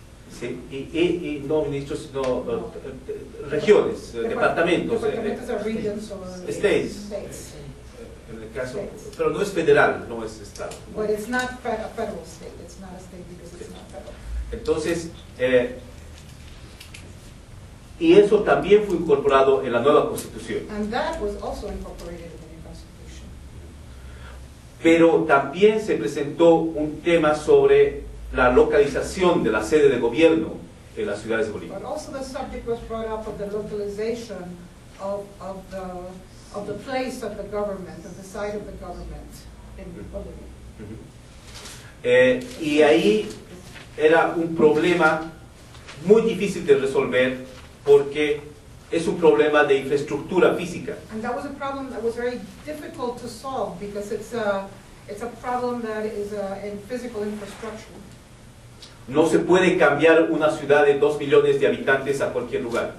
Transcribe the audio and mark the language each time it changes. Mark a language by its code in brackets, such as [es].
[es] Sí, y no ministros, sino regiones, departamentos. [en] States. [es] En el caso, states. Pero no es federal, no es estado. [en] But it's not a federal state. It's not a state because it's not federal. [es] Entonces, y eso también fue incorporado en la nueva constitución. [en] And that was also incorporated in the new constitution. [es] Pero también se presentó un tema sobre la localización de la sede de gobierno en las ciudades de Bolivia. [en] But also the subject was brought up of the localization of the place of the government, of the site of the government in Bolivia. [es] Y ahí era un problema muy difícil de resolver porque es un problema de infraestructura física. [en] And that was a problem that was very difficult to solve because it's a problem that is in physical infrastructure. [es] No se puede cambiar una ciudad de 2 millones de habitantes a cualquier lugar.